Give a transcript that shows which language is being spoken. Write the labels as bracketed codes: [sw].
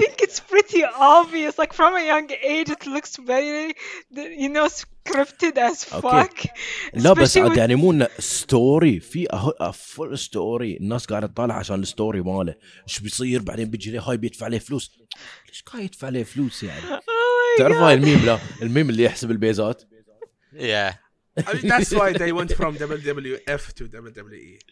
[en] I think it's pretty obvious like from a young age it looks very you know scripted as fuck. [ar] لا بس عاد يعني مو ستوري في a full story الناس قاعدة تطالع عشان الستوري ماله إيش بيصير بعدين بيجي هاي بيدفع عليه فلوس ليش قاعد يدفع عليه فلوس يعني تعرف هاي الميم لا الميم اللي يحسب البيزات [en] yeah I mean, that's why they went from WWF to WWE.